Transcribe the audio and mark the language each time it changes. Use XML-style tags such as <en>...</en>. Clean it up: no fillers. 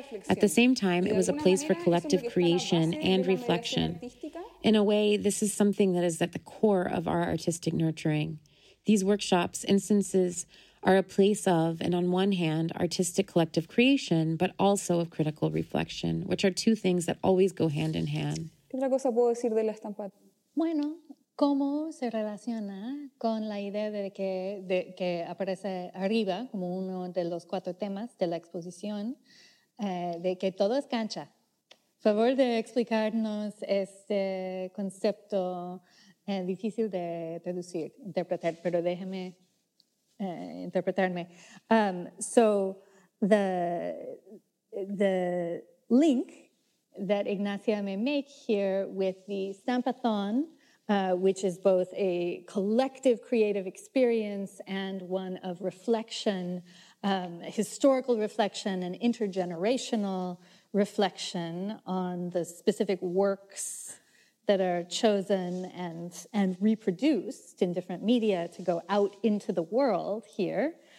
<en>At the same time, it was a place for collective creation and reflection. In a way, this is something that is at the core of our artistic nurturing. These workshops, instances, are a place of, and on one hand, artistic collective creation, but also of critical reflection, which are two things that always go hand in hand.</en> <es>¿Qué otra cosa puedo decir de la estampa? Bueno, cómo se relaciona con la idea de que aparece arriba como uno de los cuatro temas de la exposición, de que todo es cancha. Favor de explicarnos este concepto difícil de traducir, interpretar, pero déjeme interpretarme.</es> <en>So the link that Ignacia may make here with the stampathon, which is both a collective creative experience and one of reflection, historical reflection and intergenerational reflection on the specific works that are chosen and reproduced in different media to go out into the world here,</en>